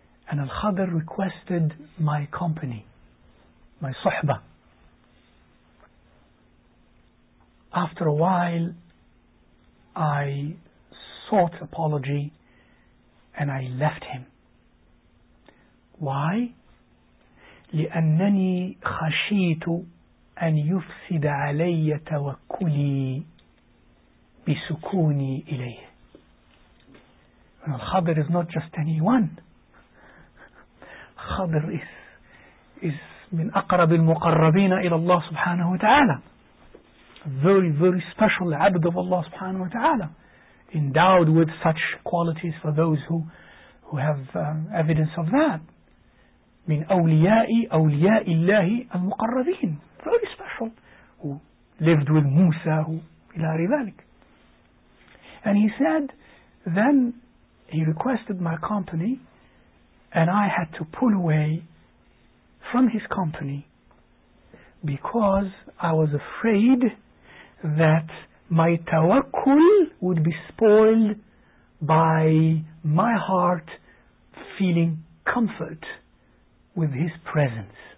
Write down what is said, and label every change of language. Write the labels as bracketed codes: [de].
[en] And Al-Khadr requested my company, my Suhba. After a while, I sought apology and I left him. Why? [ar] لأنني خشيت أن يفسد علي توكلي بسكوني إليه. [en] Khadr is not just anyone. Khadr is [ar] من أقرب المقربين إلى الله سبحانه وتعالى. [en] A very, very special عبد of Allah سبحانه وتعالى. Endowed with such qualities for those who have evidence of that. [ar] من أولياء الله المقربين, [en] very special, who lived with Musa, [ar] إلى ذلك. [en] And he said, then he requested my company, and I had to pull away from his company because I was afraid that my tawakkul would be spoiled by my heart feeling comfort with his presence.